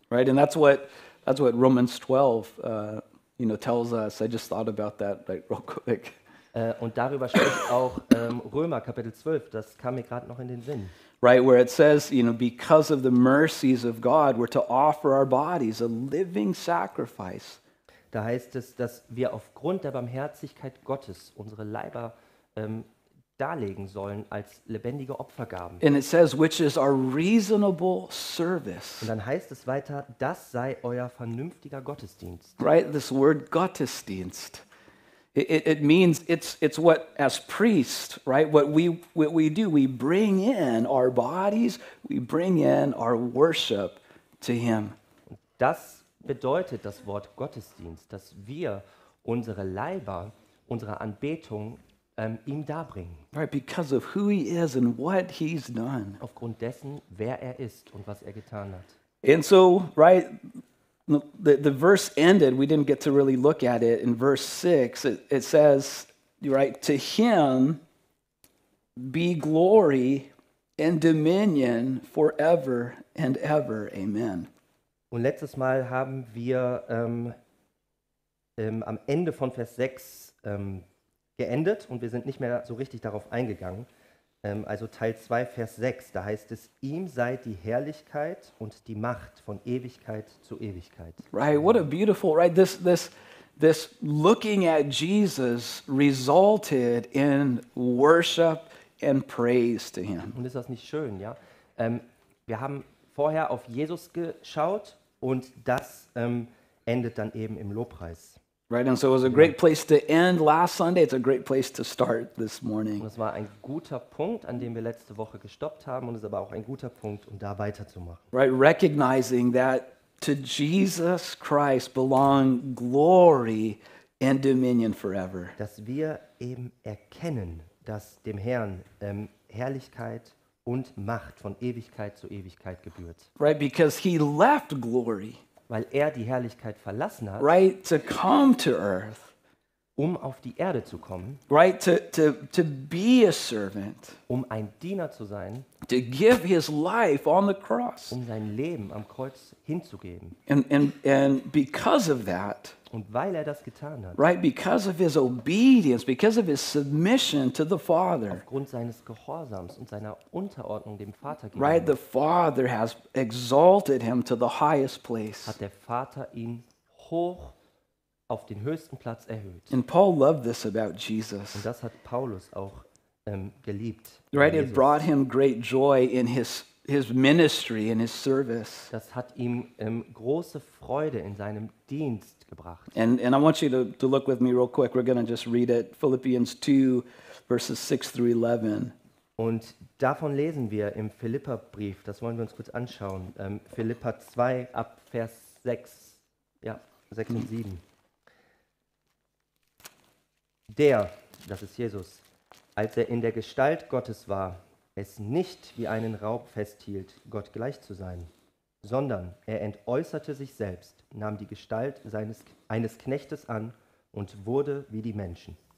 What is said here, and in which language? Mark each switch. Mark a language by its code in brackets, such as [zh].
[en] Right, and that's what Romans 12 tells us. I just thought about that real quick. [de] Und darüber spricht auch Römer Kapitel 12. Das kam mir gerade noch in den Sinn. [en] Right, where it says, you know, because of the mercies of God, we're to offer our bodies a living sacrifice. [de] Da heißt es, dass wir aufgrund der Barmherzigkeit Gottes unsere Leiber darlegen sollen als lebendige Opfergaben. [en] And it says, which is our reasonable service. [de] Und dann heißt es weiter, das sei euer vernünftiger Gottesdienst. [en] Right, this word Gottesdienst. It means it's what as priests, right, what we do, we bring in our bodies, we bring in our worship to him. [de] Das bedeutet das Wort Gottesdienst, dass wir unsere Leiber, unsere Anbetung ihm darbringen. [en] Right, because of who he is and what he's done. [de] Aufgrund dessen, wer er ist und was er getan hat. [en] And so, right, the verse ended, we didn't get to really look at it, in verse 6, it says, right, to him be glory and dominion forever and ever, amen. [de] Und letztes Mal haben wir am Ende von Vers 6 geendet und wir sind nicht mehr so richtig darauf eingegangen. Also Teil 2, Vers 6, da heißt es, ihm sei die Herrlichkeit und die Macht von Ewigkeit zu Ewigkeit. [en] Right, what a beautiful, right, this looking at Jesus resulted in worship and praise to him. [de] Und ist das nicht schön, ja? Wir haben vorher auf Jesus geschaut und das endet dann eben im Lobpreis. [en] Right, and so it was a great place to end last Sunday. It's a great place to start this morning. [de] Und es war ein guter Punkt, an dem wir letzte Woche gestoppt haben, und es ist aber auch ein guter Punkt, um da weiterzumachen. [en] Right, recognizing that to Jesus Christ belong glory and dominion forever. [de] Dass wir eben erkennen, dass dem Herrn Herrlichkeit und Macht von Ewigkeit zu Ewigkeit gebührt. [en] Right, because he left glory. [de] Weil er die Herrlichkeit verlassen hat, [en] right, to come to earth, [de] um auf die Erde zu kommen, [en] right, to be a servant, [de] um ein Diener zu sein, [en] to give his life on the cross, [de] um sein Leben am Kreuz hinzugeben. [en] And because of that, [de] und weil er das getan hat, [en] right, because of his obedience, because of his submission to the Father, [de] aufgrund seines Gehorsams und seiner Unterordnung dem Vater gegenüber, [en] right, the Father has exalted him to the highest place. [de] Hat der Vater ihn hoch auf den höchsten Platz erhöht. [en] And Paul loved this about Jesus. [de] Und das hat Paulus auch geliebt. [en] Right, it brought him great joy in his ministry and his service. [de] Das hat ihm große Freude in seinem Dienst gebracht. [en] And I want you to look with me real quick. We're going to just read it. Philippians 2, verses 6 through 11. [de] Und davon lesen wir im Philipperbrief. Das wollen wir uns kurz anschauen. Philipper 2, ab Vers 6, ja, 6 und 7. Der, das ist Jesus, als er in der Gestalt Gottes war, es nicht wie einen Raub festhielt, Gott gleich zu sein, sondern er entäußerte sich selbst, nahm die Gestalt eines Knechtes an und wurde wie die Menschen.